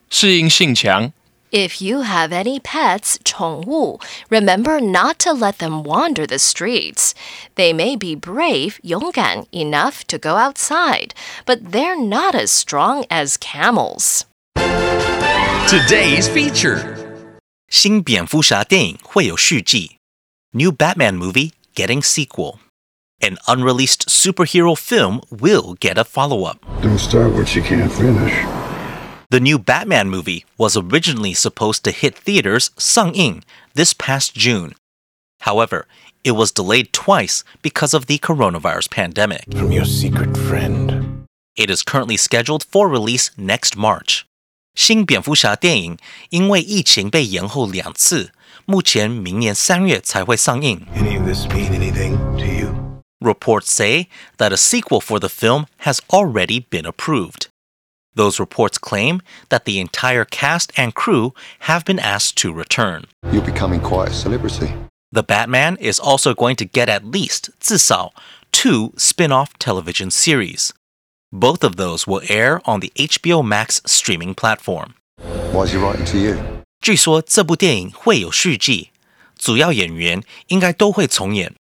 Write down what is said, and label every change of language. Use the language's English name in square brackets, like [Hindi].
[Chinese] 适应性强。 [English] If you have any pets, 宠物, remember not to let them wander the streets. They may be brave, 勇敢, enough to go outside, but they're not as strong as camels. Today's feature. [Chinese] 新蝙蝠侠电影会有续集。 [English] New Batman movie getting sequel. An unreleased superhero film will get a follow-up. Don't start what you can't finish. The new Batman movie was originally supposed to hit theaters, 上映, this past June. However, it was delayed twice because of the coronavirus pandemic. From your secret friend. It is currently scheduled for release next March. [Chinese] 新蝙蝠侠电影因为疫情被延后两次，目前明年三月才会上映。 [English] Any of this mean anything to you? Reports say that a sequel for the film has already been approved. Those reports claim that the entire cast and crew have been asked to return. You're becoming quite a celebrity. The Batman is also going to get at least, 至少, two spin-off television series. Both of those will air on the HBO Max streaming platform. Why is he writing to you? [Chinese] 据说这部电影会有续集，主要演员应该都会重演。